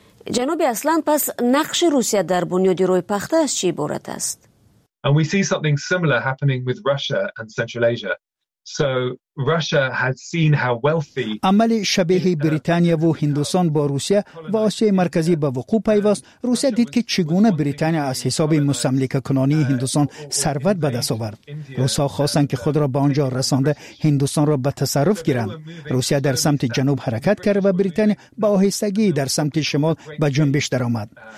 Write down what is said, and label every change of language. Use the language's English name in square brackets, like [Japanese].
[Persian] جناب اصلان، پس نقش روسیه در بنیاد روی پخته از چی عبارت است؟ [English] And we see something similar happening with Russia and Central Asia. So Russia had seen how wealthy [Persian] عمل شبیه بریتانیا و هندوستان با روسیه و آسیای مرکزی به وقوع پیوست. روسیه دید که چگونه بریتانیا از حساب مستملکه کنانی هندوستان ثروت به دست آورد. روس‌ها خواستند که خود را به آنجا رسانده هندوستان را به تصرف گیرند. روسیه در سمت جنوب حرکت کرد و بریتانیا با آهستگی در سمت شمال به جنبش درآمد.